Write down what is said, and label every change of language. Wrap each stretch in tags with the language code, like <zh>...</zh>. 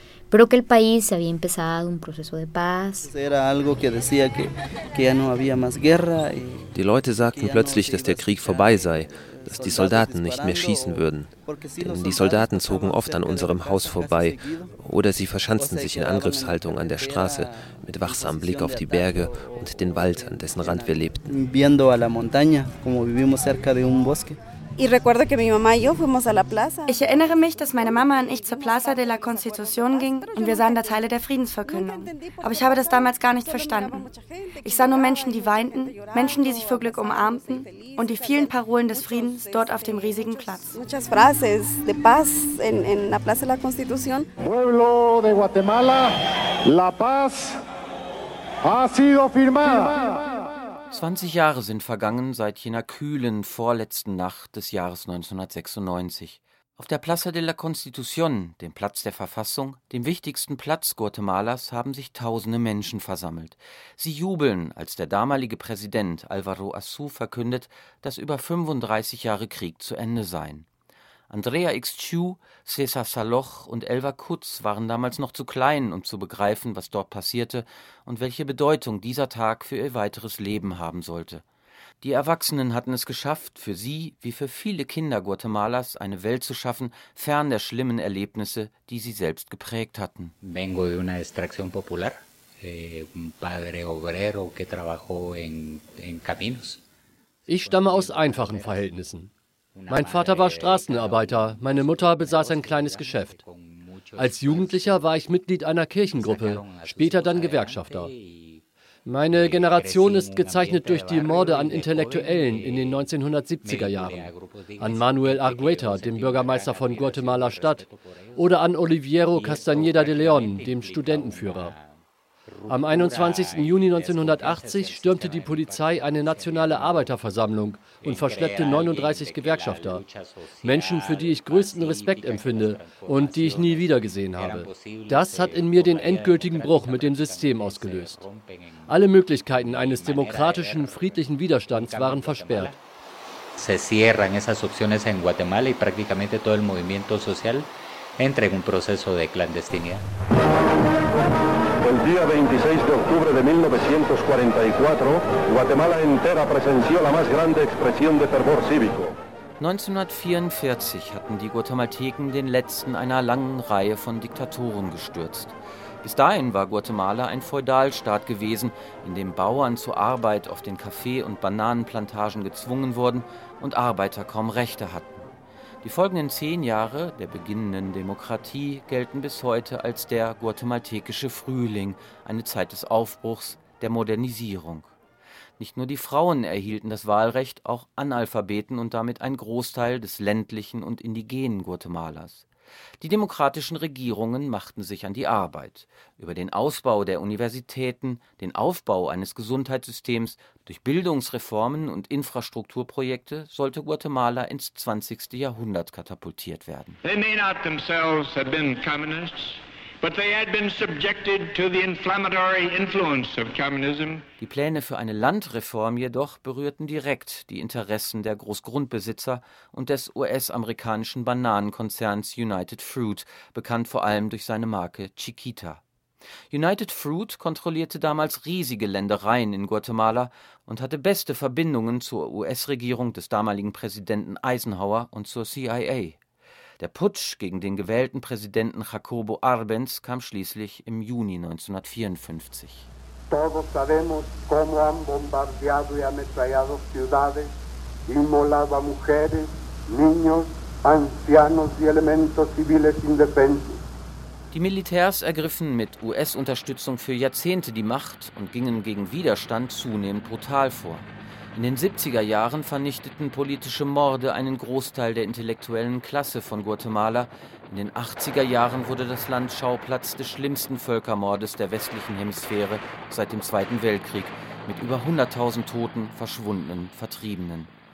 <es>Pero que el país había empezado un proceso de paz. Era algo que decía que ya no había más guerra.</es> <de>Die Leute sagten plötzlich, dass der Krieg vorbei sei, dass die Soldaten nicht mehr schießen würden. Denn die Soldaten zogen oft an unserem Haus vorbei oder sie verschanzten sich in Angriffshaltung an der Straße mit wachsamem Blick auf die Berge und den Wald, an dessen Rand wir lebten.</de> <es>Viendo a la montaña, como vivimos cerca de un bosque.</es> <de>Ich erinnere mich, dass meine Mama und ich zur Plaza de la Constitución gingen und wir sahen da Teile der Friedensverkündung. Aber ich habe das damals gar nicht verstanden. Ich sah nur Menschen, die weinten, Menschen, die sich vor Glück umarmten und die vielen Parolen des Friedens dort auf dem riesigen Platz.</de> <es>Muchas frases de paz en la Plaza de la Constitución. Pueblo de Guatemala, la paz ha sido firmada.</es> <de>20 Jahre sind vergangen seit jener kühlen, vorletzten Nacht des Jahres 1996. Auf der Plaza de la Constitución, dem Platz der Verfassung, dem wichtigsten Platz Guatemalas, haben sich tausende Menschen versammelt. Sie jubeln, als der damalige Präsident Alvaro Assu verkündet, dass über 35 Jahre Krieg zu Ende seien. Andrea X. Chu, César Saloch und Elva Kutz waren damals noch zu klein, um zu begreifen, was dort passierte und welche Bedeutung dieser Tag für ihr weiteres Leben haben sollte. Die Erwachsenen hatten es geschafft, für sie, wie für viele Kinder Guatemalas, eine Welt zu schaffen, fern der schlimmen Erlebnisse, die sie selbst geprägt hatten. Vengo de una extracción popular, un padre obrero que trabajó en caminos. Ich stamme aus einfachen Verhältnissen. Mein Vater war Straßenarbeiter, meine Mutter besaß ein kleines Geschäft. Als Jugendlicher war ich Mitglied einer Kirchengruppe, später dann Gewerkschafter. Meine Generation ist gezeichnet durch die Morde an Intellektuellen in den 1970er Jahren, an Manuel Argueta, dem Bürgermeister von Guatemala Stadt, oder an Oliviero Castañeda de León, dem Studentenführer. Am 21. Juni 1980 stürmte die Polizei eine nationale Arbeiterversammlung und verschleppte 39 Gewerkschafter, Menschen, für die ich größten Respekt empfinde und die ich nie wiedergesehen habe. Das hat in mir den endgültigen Bruch mit dem System ausgelöst. Alle Möglichkeiten eines demokratischen, friedlichen Widerstands waren versperrt.</de> <es>Se cierran esas opciones en Guatemala y prácticamente todo el movimiento social entra en un proceso de clandestinidad. El día 26 de octubre de 1944, Guatemala entera presenció la más grande expresión de fervor cívico.</es> <de>1944 hatten die Guatemalteken den letzten einer langen Reihe von Diktatoren gestürzt. Bis dahin war Guatemala ein Feudalstaat gewesen, in dem Bauern zur Arbeit auf den Kaffee- und Bananenplantagen gezwungen wurden und Arbeiter kaum Rechte hatten. Die folgenden 10 Jahre der beginnenden Demokratie gelten bis heute als der guatemaltekische Frühling, eine Zeit des Aufbruchs, der Modernisierung. Nicht nur die Frauen erhielten das Wahlrecht, auch Analphabeten und damit ein Großteil des ländlichen und indigenen Guatemalas. Die demokratischen Regierungen machten sich an die Arbeit. Über den Ausbau der Universitäten, den Aufbau eines Gesundheitssystems, durch Bildungsreformen und Infrastrukturprojekte sollte Guatemala ins 20. Jahrhundert katapultiert werden.</de> <en>They may not themselves have been communists, but they had been subjected to the inflammatory influence of communism.</en> <de>Die Pläne für eine Landreform jedoch berührten direkt die Interessen der Großgrundbesitzer und des US-amerikanischen Bananenkonzerns United Fruit, bekannt vor allem durch seine Marke Chiquita. United Fruit kontrollierte damals riesige Ländereien in Guatemala und hatte beste Verbindungen zur US-Regierung des damaligen Präsidenten Eisenhower und zur CIA. Der Putsch gegen den gewählten Präsidenten Jacobo Arbenz kam schließlich im Juni 1954.</de> <es>Todos sabemos cómo han bombardeado y ametrallado ciudades, inmolado a mujeres, niños, ancianos y elementos civiles indefensos.</es> <de>Die Militärs ergriffen mit US-Unterstützung für Jahrzehnte die Macht und gingen gegen Widerstand zunehmend brutal vor. In den 70er Jahren vernichteten politische Morde einen Großteil der intellektuellen Klasse von Guatemala. In den 80er Jahren wurde das Land Schauplatz des schlimmsten Völkermordes der westlichen Hemisphäre seit dem Zweiten Weltkrieg, mit über 100.000 Toten, Verschwundenen, Vertriebenen.</de>